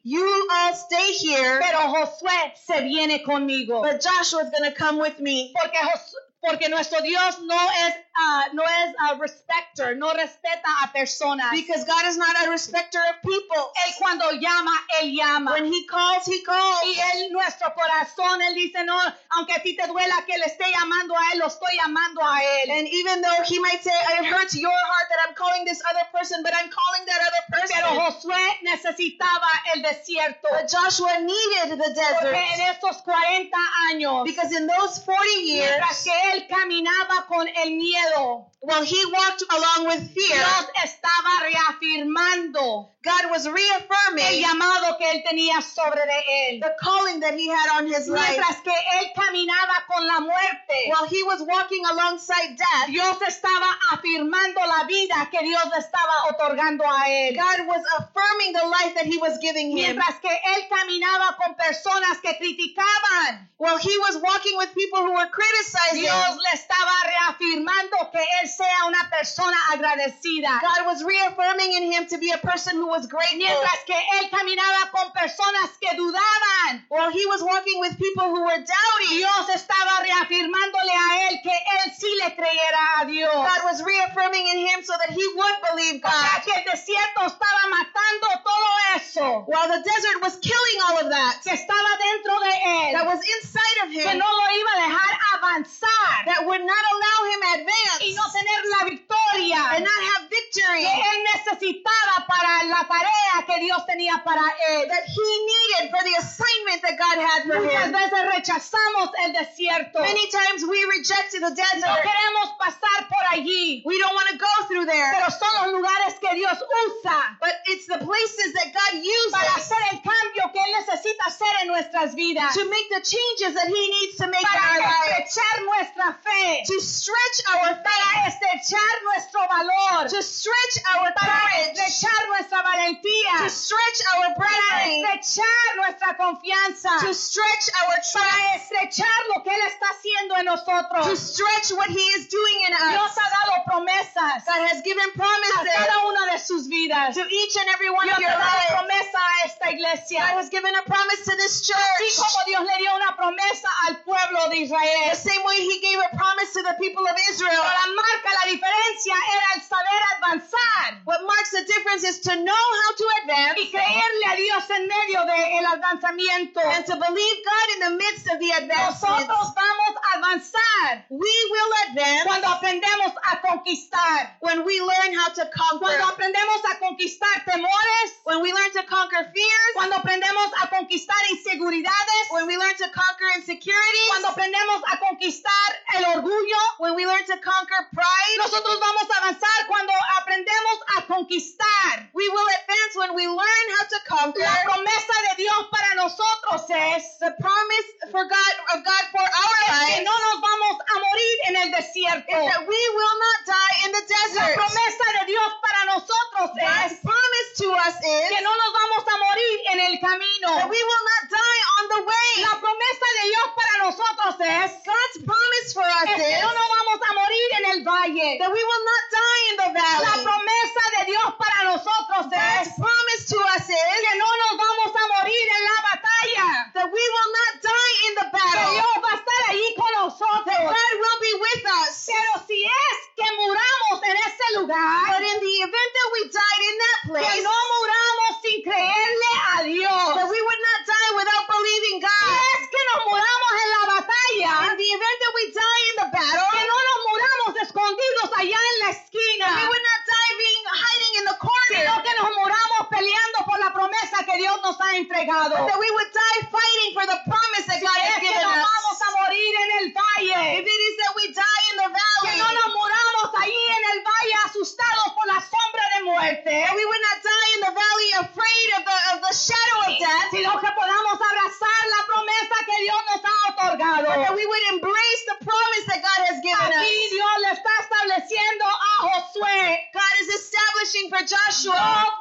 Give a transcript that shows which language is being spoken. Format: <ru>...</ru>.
<en>You all stay here.</en> <es>Pero Josué se viene conmigo.</es> <en>But Joshua is going to come with me.</en> <es>Porque Josué. Porque nuestro Dios no es</es> <en>a respecter,</en> <es>no respeta a personas.</es> <en>Because God is not a respecter of people.</en> <es>Él cuando llama, él llama.</es> <en>When he calls, he calls.</en> <es>Y él nuestro corazón, él dice no, aunque a ti te duela que le esté llamando a él, lo estoy llamando a él.</es> <en>And even though he might say it hurts your heart that I'm calling this other person, but I'm calling that other person.</en> <es>Pero Josué necesitaba el desierto.</es> <en>But Joshua needed the desert.</en> <es>Porque en estos 40 años.</es> <en>Because in those 40 years.</en> <es>Él caminaba con el miedo.</es> <en>While he walked along with fear.</en> <es>Dios estaba reafirmando.</es> <en>God was reaffirming.</en> <es>El llamado que él tenía sobre de él.</es> <en>The calling that he had on his</en> <es>mientras</es> <en>life.</en> <es>Mientras que él caminaba con la muerte.</es> <en>While he was walking alongside death.</en> <es>Dios estaba afirmando la vida que Dios estaba otorgando a él.</es> <en>God was affirming the life that he was giving</en> <es>mientras Mientras que él caminaba con personas que criticaban.</es> <en>While he was walking with people who were criticizing.</en> <es>Dios le estaba reafirmando que él sea una persona agradecida.</es> <en>God was reaffirming in him to be a person who was grateful.</en> <es>Mientras que él caminaba con personas que dudaban.</es> <en>While he was walking with people who were doubting.</en> <es>Dios estaba reafirmándole a él que él sí le creyera a Dios.</es> <en>God was reaffirming in him so that he would believe God.</en> <es>Porque el desierto estaba matando todo eso.</es> <en>While the desert was killing all of that.</en> <es>Que estaba dentro de él.</es> <en>That was inside of him.</en> <es>Que no lo iba a dejar avanzar.</es> <en>That would not allow him advance.</en> <es>Y no tener la victoria.</es> <en>And not have victory.</en> <es>Que él necesitaba para la tarea que Dios tenía para él.</es> <en>That he needed for the assignment that God had for him.</en> <es>Muchas veces rechazamos el desierto.</es> <en>Many times we rejected the desert.</en> <es>No queremos pasar por allí.</es> <en>We don't want to go through there.</en> <es>Pero son los lugares que Dios usa.</es> <en>But it's the places that God uses.</en> <es>Para hacer el cambio que él necesita hacer en nuestras vidas.</es> <en>To make the changes that he needs to make</en> <es>para</es> <en>in our lives.</en> <es>Para estrechar nuestra fe.</es> <en>To stretch our faith.</en> <es>Para estrechar nuestro valor.</es> <en>To stretch our</en> <es>para</es> <en>courage.</en> <es>Para estrechar nuestra valentía.</es> <en>To stretch our bravery.</en> <es>Para estrechar nuestra confianza.</es> <en>To stretch our trust.</en> <es>Para estrechar lo que él está haciendo en nosotros.</es> <en>To stretch what he is doing in us.</en> <es>Dios ha dado promesas.</es> <en>God has given promises.</en> <es>A cada una de sus vidas.</es> <en>To each and every one</en> <es>Dios</es> <en>of your lives.</en> <es>Dios ha dado promesa a esta iglesia.</es> <en>God has given a promise to this church.</en> <es>Así como Dios le dio una promesa al pueblo de Israel.</es> <en>The same way he gave a promise to the people of Israel.</en> <es>Pero la marca, la diferencia era el saber avanzar.</es> <en>What marks the difference is to know how to advance.</en> <es>Y creerle a Dios en medio del avanzamiento.</es> <en>And to believe God in the midst of the advancements.</en> <es>Nosotros vamos a avanzar.</es> <en>We will advance.</en> <es>Cuando aprendemos a conquistar.</es> <en>When we learn how to conquer.</en> <es>Cuando aprendemos a conquistar temores.</es> <en>When we learn to conquer fears.</en> <es>Cuando aprendemos a conquistar inseguridades.</es> <en>When we learn to conquer insecurities.</en> <es>Cuando aprendemos a conquistar el orgullo.</es> <en>When we learn to conquer pride.</en> <es>Nosotros vamos a avanzar cuando aprendemos a conquistar.</es> <en>We will advance when we learn how to conquer.</en> <es>La promesa de Dios para nosotros es</es> <en>the promise for God, of God for our lives.</en> <es>Que no nos vamos a morir en el desierto.</es> <en>Is that we will not die in the desert.</en> <es>La promesa de Dios para nosotros</es> <en>God's</en> <es>es</es> <en>promise to us is</en> <es>que no nos vamos a morir en el camino.</es> <en>That we will not die on the way.</en> <es>La promesa de Dios para nosotros es</es> <en>God's promise for us</en> <es>es que</es> <en>is</en> <es>no nos vamos a morir en el valle.</es> <en>That we will not die in the valley.</en> <es>La promesa de Dios para nosotros</es> <en>God's</en> <es>es</es> <en>promise to us is</en> <es>que no nos vamos a morir en la batalla.</es> <en>That we will not die in the battle.</en> <es>Que Dios va a estar ahí con nosotros.</es> <en>That God will be with us.</en> <es>Pero si es que muramos en ese lugar.</es> <en>But in the event that we died in that place.</en> <es>Que no muramos sin creerle a Dios.</es> <en>That we would not die without believing God.</en> <es>Si es que nos muramos en la batalla.</es> <en>In the event that we die in the battle.</en> <es>Que no nos muramos escondidos allá en la esquina.</es> <en>That we would not die being hiding in the corner.</en> <es>Sino que nos muramos peleando por la promesa que Dios nos ha entregado.</es> <en>But that we would die fighting for the promise that</en> <es>si</es> <en>God has given us.</en> <es>Si es que nos vamos a morir en el valle.</es> <en>If it is that we die in the valley.</en> <es>Que no nos muramos ahí en el valle asustados por la sombra de muerte.</es> <en>That we would not die in the valley afraid of the shadow of death.</en> <es>Sino que podamos abrazar la promesa que Dios nos ha otorgado.</es> <en>But that we would embrace the promise that God has given</en> <es>aquí</es> <en>us.</en> <es>Dios le está estableciendo a Josué.</es> <en>God is establishing for Joshua.</en>